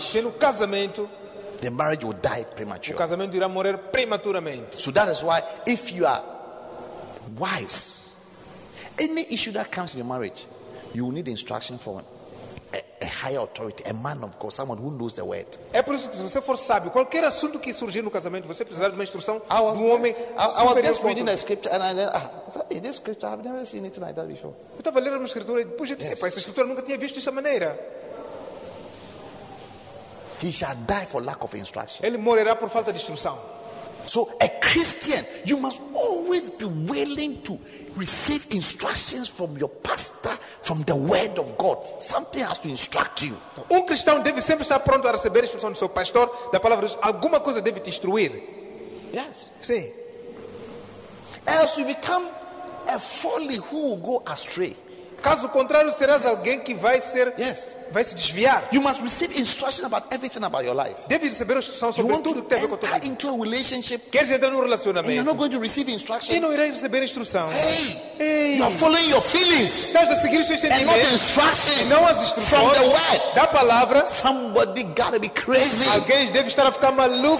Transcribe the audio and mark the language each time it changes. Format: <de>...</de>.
<pt>Se é no casamento.</pt> <en>The marriage will die prematurely.</en> <pt>O casamento irá morrer prematuramente.</pt> <en>So that is why, if you are wise, any issue that comes in your marriage, you will need instruction from a higher authority, a man of God, someone who knows the word.</en> <pt>É por isso que se você for sábio, qualquer assunto que surgir no casamento, você precisará de uma instrução de um homem.</pt> <en>I was just reading a scripture and I said, this scripture, I've never seen it like that before.</en> <pt>Eu estava lendo uma escritura e depois eu disse, essa escritura nunca tinha visto dessa maneira.</pt> <en>He shall die for lack of instruction.</en> <pt>Ele morrerá por falta de instrução.</pt> <en>So, a Christian, you must always be willing to receive instructions from your pastor, from the word of God. Something has to instruct you.</en> <pt>Um cristão deve sempre estar pronto a receber instrução do seu pastor, da palavra de Deus. Alguma coisa deve te instruir.</pt> <en>Yes.</en> <pt>Sim.</pt> <en>Else you become a folly who will go astray.</en> <pt>Caso contrário, serás alguém que vai ser,</pt> <en>yes,</en> <pt>vai se desviar.</pt> <en>You must receive instruction about everything about your life.</en> <pt>Deve receber instrução sobre</pt> <en>you</en> <pt>tudo que tem a ver com a tua vida.</pt> <en>Into a relationship.</en> <pt>Queres entrar num relacionamento?</pt> <en>And you're not going to receive instruction.</en> <pt>E não irás receber instrução.</pt> <en>Hey, you are following your feelings.</en> <pt>Estás a seguir os seus sentimentos.</pt> <en>And not instructions.</en> <pt>E não as instruções.</pt> <en>From the word.</en> <pt>Da palavra.</pt> <en>Somebody gotta be crazy.</en> <pt>Alguém deve estar a ficar maluco.</pt>